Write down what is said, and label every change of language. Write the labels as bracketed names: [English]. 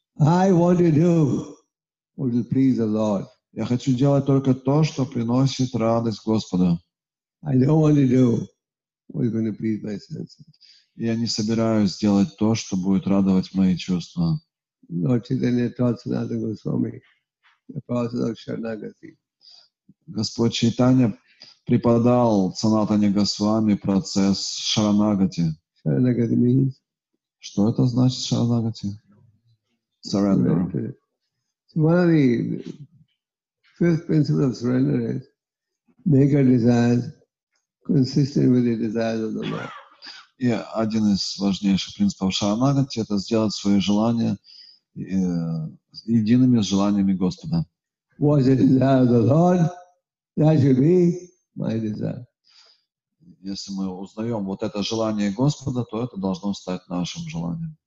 [English] I want to do what will please the Lord. [Russian] Я хочу делать только то, что приносит радость Господу. [English] I don't want to do what is going to please my senses. [Russian] Я не собираюсь делать то, что будет радовать мои чувства. [English] Lord Chaitanya taught Sanatana Goswami the process of Sharanagati. [Russian] Господь Чайтанья преподал Санатане Госвами процесс Шаранагати. [English] Шаранагати means? [Russian] Что это значит Шаранагати? [English] Surrender. So one of the first principles of surrender is make our desires consistent with the desires of the Lord. [Russian] И один из важнейших принципов шаранагати — это сделать свои желания едиными с желаниями Господа. [English] What is the desire of the Lord? That should be my desire. [Russian] Если мы узнаем вот это желание Господа, то это должно стать нашим желанием.